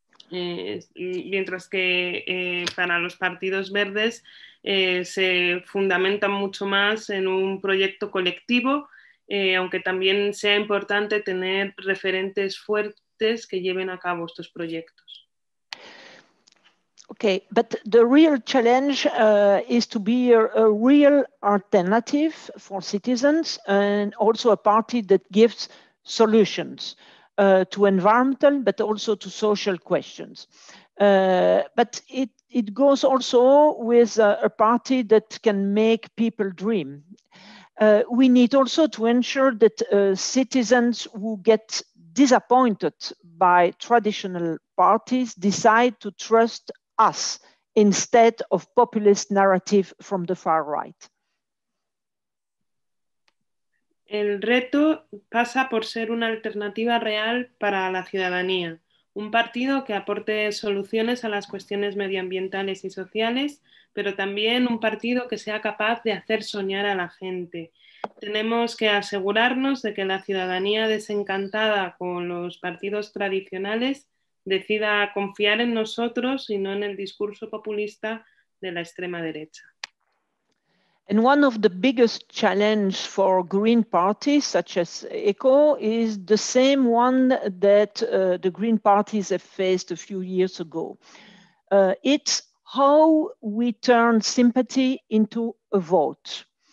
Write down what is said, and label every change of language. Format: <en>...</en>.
<es>mientras que para los partidos verdes se fundamentan mucho más en un proyecto colectivo, aunque también sea importante tener referentes fuertes que lleven a cabo estos proyectos.</es> <en>Okay, but the real challenge is to be a real alternative for citizens and also a party that gives solutions to environmental, but also to social questions. But it goes also with a party that can make people dream. We need also to ensure that citizens who get disappointed by traditional parties decide to trust us instead of populist narrative from the far right.</en> <es>El reto pasa por ser una alternativa real para la ciudadanía, un partido que aporte soluciones a las cuestiones medioambientales y sociales, pero también un partido que sea capaz de hacer soñar a la gente. Tenemos que asegurarnos de que la ciudadanía desencantada con los partidos tradicionales decida confiar en nosotros y no en el discurso populista de la extrema derecha.</es> <en>And one of the biggest challenges for green parties such as ECO is the same one that the green parties have faced a few years ago. It's how we turn sympathy into a vote.</en>